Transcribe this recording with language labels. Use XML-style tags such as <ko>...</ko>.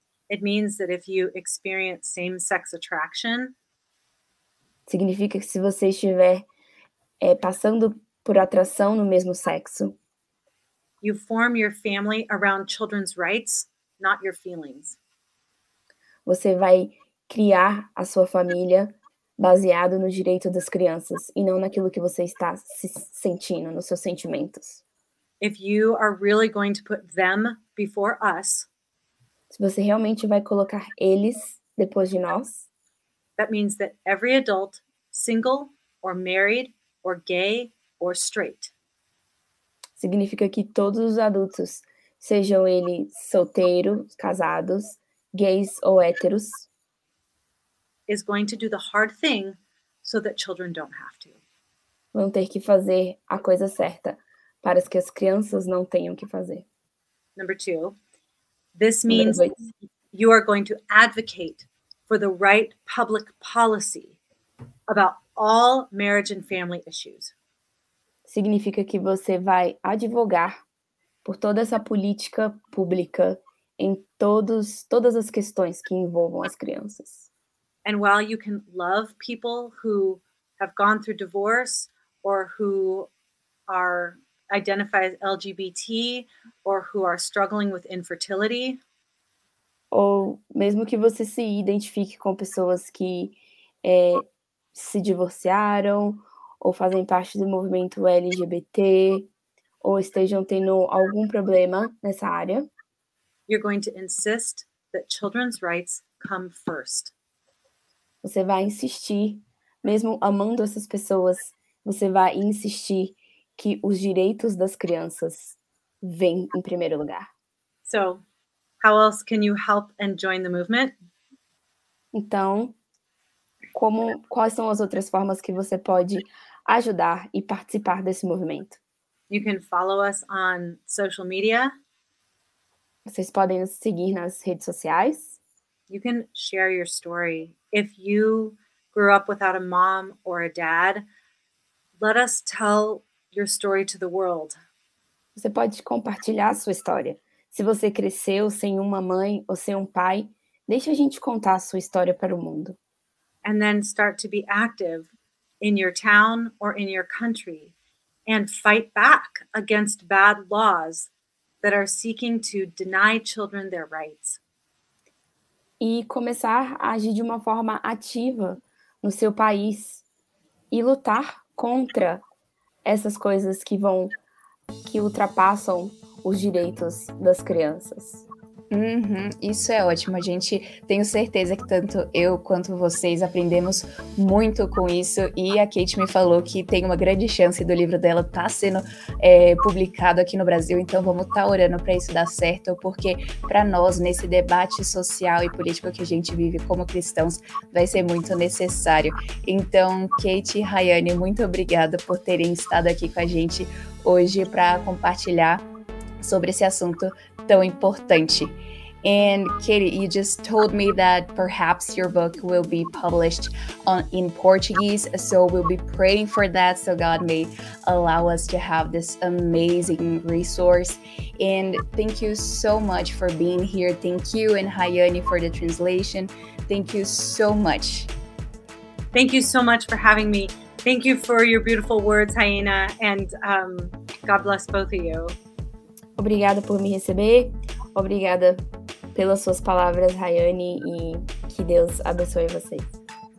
<en>It means that if you experience same-sex attraction,</en> <pt>significa que se você estiver passando por atração no mesmo sexo,</pt> <en>you form your family around children's rights, not your feelings.</en> <pt>Você vai criar a sua família baseado no direito das crianças e não naquilo que você está se sentindo, nos seus sentimentos.</pt> <en>If you are really going to put them before us,</en> <pt>se você realmente vai colocar eles depois de nós,</pt> <en>that means that every adult, single or married or gay or straight,</en> <pt>significa que todos os adultos, sejam eles solteiros, casados, gays ou héteros,</pt> <en>is going to do the hard thing so that children don't have to.</en> <pt>Vão ter que fazer a coisa certa para que as crianças não tenham que fazer.</pt> <en>Number two. This means you are going to advocate for the right public policy about all marriage and family issues.</en> <pt>Significa que você vai advogar por toda essa política pública em todas as questões que envolvam as crianças.</pt> <en>And while you can love people who have gone through divorce or who are identify as LGBT or who are struggling with infertility,</en> <pt>ou mesmo que você se identifique com pessoas que se divorciaram ou fazem parte do movimento LGBT ou estejam tendo algum problema nessa área,</pt> <en>you're going to insist that children's rights come first.</en> <pt>Você vai insistir, mesmo amando essas pessoas, você vai insistir que os direitos das crianças vêm em primeiro lugar.</pt> <en>So, how else can you help and join the movement?</en> <pt>Então, quais são as outras formas que você pode ajudar e participar desse movimento?</pt> <en>You can follow us on social media.</en> <pt>Vocês podem nos seguir nas redes sociais.</pt> <en>You can share your story. If you grew up without a mom or a dad, let us tell your story to the world.</en> <pt>Você pode compartilhar a sua história. Se você cresceu sem uma mãe ou sem um pai, deixe a gente contar a sua história para o mundo.</pt> <en>And then start to be active in your town or in your country and fight back against bad laws that are seeking to deny children their rights.</en> <pt>E começar a agir de uma forma ativa no seu país e lutar contra essas coisas que ultrapassam os direitos das crianças. Uhum, isso é ótimo. A gente tem certeza que tanto eu quanto vocês aprendemos muito com isso. E a Kate me falou que tem uma grande chance do livro dela estar sendo publicado aqui no Brasil. Então vamos estar orando para isso dar certo, porque para nós, nesse debate social e político que a gente vive como cristãos, vai ser muito necessário. Então, Kate e Rayane, muito obrigada por terem estado aqui com a gente hoje para compartilhar sobre esse assunto tão importante.</pt> <en>And Katie, you just told me that perhaps your book will be published in Portuguese, so we'll be praying for that, so God may allow us to have this amazing resource. And thank you so much for being here. Thank you and Rayane for the translation. Thank you so much. Thank you so much for having me. Thank you for your beautiful words, Rayane, and God bless both of you.</en> <pt>Obrigada por me receber, obrigada pelas suas palavras, Rayane, e que Deus abençoe vocês.</pt>